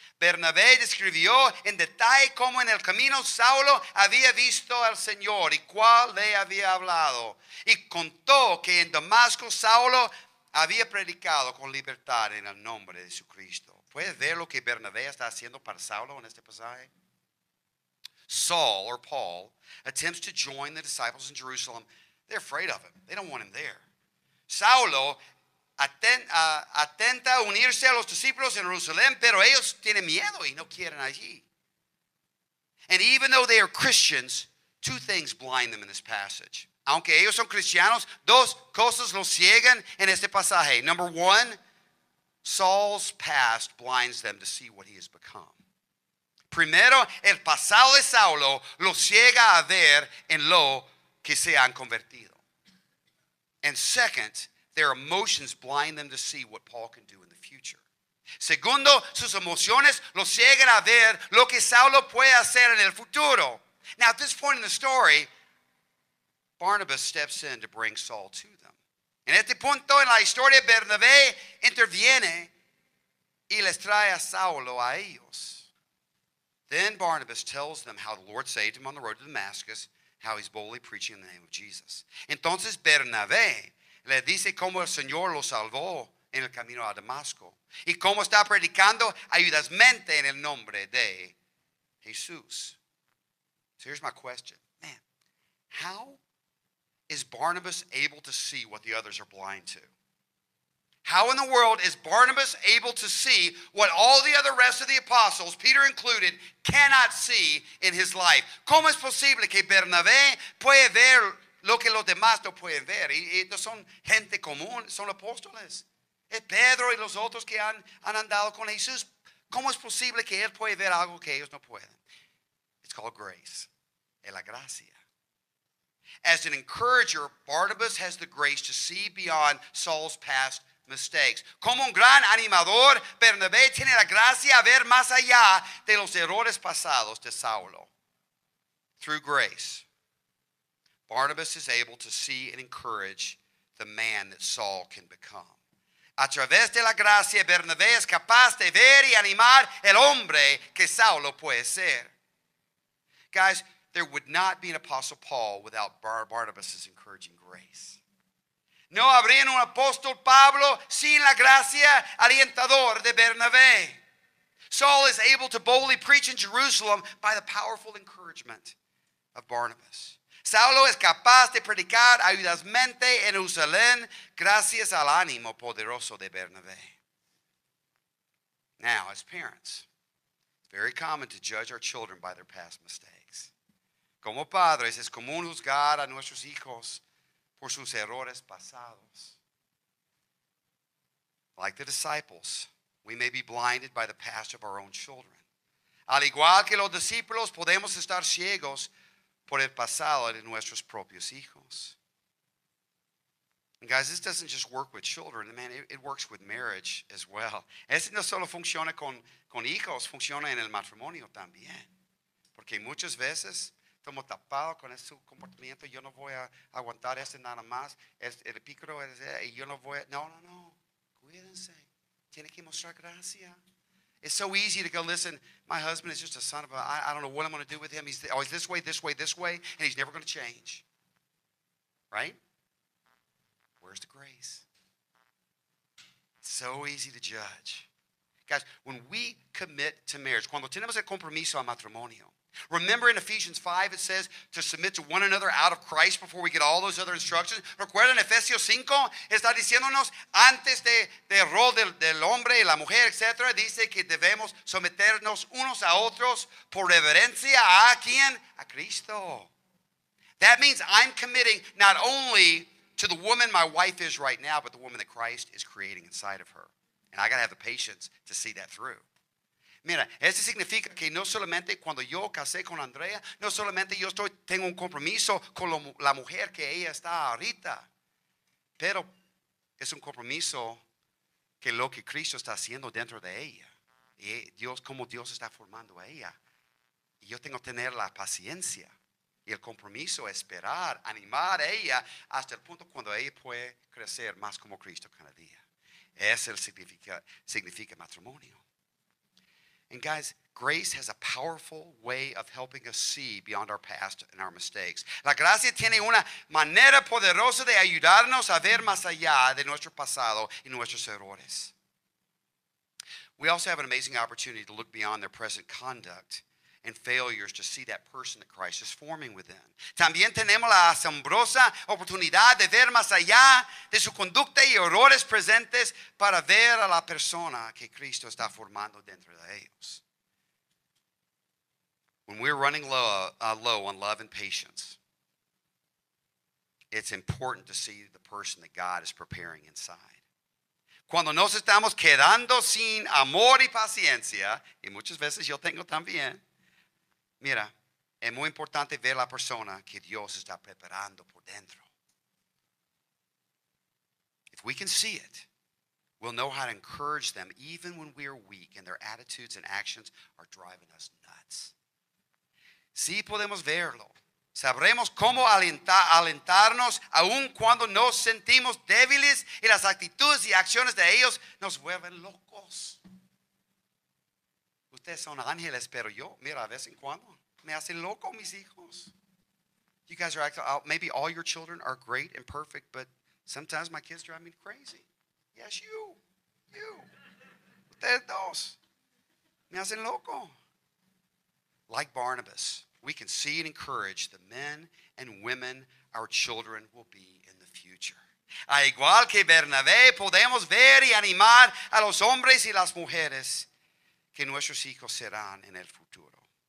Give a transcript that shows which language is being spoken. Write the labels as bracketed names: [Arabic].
[Spanish] Bernabé describió en detalle cómo en el camino Saulo había visto al Señor y cuál le había hablado. Y contó que en Damasco Saulo había predicado con libertad en el nombre de Jesucristo. ¿Puedes ver lo que Bernabé está haciendo para Saulo en este pasaje? [English] Saul, or Paul, attempts to join the disciples in Jerusalem. They're afraid of him. They don't want him there. [Spanish] Saulo atenta a unirse a los discípulos en Jerusalén, pero ellos tienen miedo y no quieren allí. [English] And even though they are Christians, two things blind them in this passage. [Spanish] Aunque ellos son cristianos, dos cosas los ciegan en este pasaje. [English] Number one, Saul's past blinds them to see what he has become. [Spanish] Primero, el pasado de Saulo los ciega a ver en lo que se han convertido. [English] And second, their emotions blind them to see what Paul can do in the future. [Spanish] Segundo, sus emociones los ciegan a ver lo que Saulo puede hacer en el futuro. [English] Now, at this point in the story, Barnabas steps in to bring Saul to them. [Spanish] En este punto en la historia, Bernabé interviene y les trae a Saulo a ellos. [English] Then Barnabas tells them how the Lord saved him on the road to Damascus, how he's boldly preaching in the name of Jesus. [Spanish] Entonces, Bernabé le dice cómo el Señor lo salvó en el camino a Damasco y cómo está predicando audazmente en el nombre de Jesús. [English] So here's my question. Man, how is Barnabas able to see what the others are blind to? How in the world is Barnabas able to see what all the other rest of the apostles, Peter included, cannot see in his life? [Spanish] ¿Cómo es posible que Bernabé puede ver lo que los demás no pueden ver? Y no son gente común, son apóstoles. Es Pedro y los otros que han andado con Jesús. ¿Cómo es posible que él puede ver algo que ellos no pueden? [English] It's called grace. [Spanish] Es la gracia. [English] As an encourager, Barnabas has the grace to see beyond Saul's past mistakes. [Spanish] Como un gran animador, Bernabé tiene la gracia a ver más allá de los errores pasados de Saulo. [English] Through grace, Barnabas is able to see and encourage the man that Saul can become. [Spanish] A través de la gracia, Bernabé es capaz de ver y animar el hombre que Saulo puede ser. [English] Guys, there would not be an Apostle Paul without Barnabas' encouraging grace. [Spanish] No habría un apóstol Pablo sin la gracia alentador de Bernabé. [English] Saul is able to boldly preach in Jerusalem by the powerful encouragement of Barnabas. [Spanish] Saulo es capaz de predicar audazmente en Jerusalén gracias al ánimo poderoso de Bernabé. [English] Now, as parents, it's very common to judge our children by their past mistakes. [Spanish] Como padres, es común juzgar a nuestros hijos por sus errores pasados. [English] Like the disciples, we may be blinded by the past of our own children. [Spanish] Al igual que los discípulos, podemos estar ciegos por el pasado de nuestros propios hijos. [English] And guys, this doesn't just work with children. Man, it works with marriage as well. [Spanish] Eso no solo funciona con hijos, funciona en el matrimonio también. Porque muchas veces, tomo tapado con ese comportamiento, yo no voy a aguantar ese nada más. El pícaro es, y yo no voy a, no. Cuídense. Tiene que mostrar gracia. [English] It's so easy to go, listen, my husband is just a son of a, I don't know what I'm going to do with him. He's always this way, and he's never going to change. Right? Where's the grace? It's so easy to judge. Guys, when we commit to marriage, [Spanish] cuando tenemos el compromiso a matrimonio, [English] remember in Ephesians 5, it says to submit to one another out of Christ before we get all those other instructions. [Spanish] Recuerden, Efesios 5 está diciéndonos antes del rol del hombre y la mujer, etc. Dice que debemos someternos unos a otros por reverencia. ¿A quién? A Cristo. [English] That means I'm committing not only to the woman my wife is right now, but the woman that Christ is creating inside of her. And I got to have the patience to see that through. [Spanish] Mira, eso significa que no solamente cuando yo casé con Andrea, no solamente yo tengo un compromiso con la mujer que ella está ahorita, pero es un compromiso que lo que Cristo está haciendo dentro de ella, y Dios, como Dios está formando a ella. Y yo tengo que tener la paciencia y el compromiso, esperar, animar a ella hasta el punto cuando ella puede crecer más como Cristo cada día. Ese significa matrimonio. [English] And guys, grace has a powerful way of helping us see beyond our past and our mistakes. [Spanish] La gracia tiene una manera poderosa de ayudarnos a ver más allá de nuestro pasado y nuestros errores. [English] We also have an amazing opportunity to look beyond their present conduct and failures to see that person that Christ is forming within. [Spanish] También tenemos la asombrosa oportunidad de ver más allá de su conducta y errores presentes para ver a la persona que Cristo está formando dentro de ellos. [English] When we're running low on love and patience, it's important to see the person that God is preparing inside. [Spanish] Cuando nos estamos quedando sin amor y paciencia, y muchas veces yo tengo también, mira, es muy importante ver la persona que Dios está preparando por dentro. [English] If we can see it, we'll know how to encourage them even when we are weak and their attitudes and actions are driving us nuts. [Spanish] Si podemos verlo, sabremos cómo alentarnos aun cuando nos sentimos débiles y las actitudes y acciones de ellos nos vuelven locos. Ustedes son ángeles, pero yo, mira, de vez en cuando me hacen loco mis hijos. [English] You guys are acting out. Maybe all your children are great and perfect, but sometimes my kids drive me crazy. Yes, you. [Spanish] Ustedes dos. Me hacen loco. [English] Like Barnabas, we can see and encourage the men and women our children will be in the future. [Spanish] A igual que Bernabé, podemos ver y animar a los hombres y las mujeres que nuestros hijos serán en el futuro.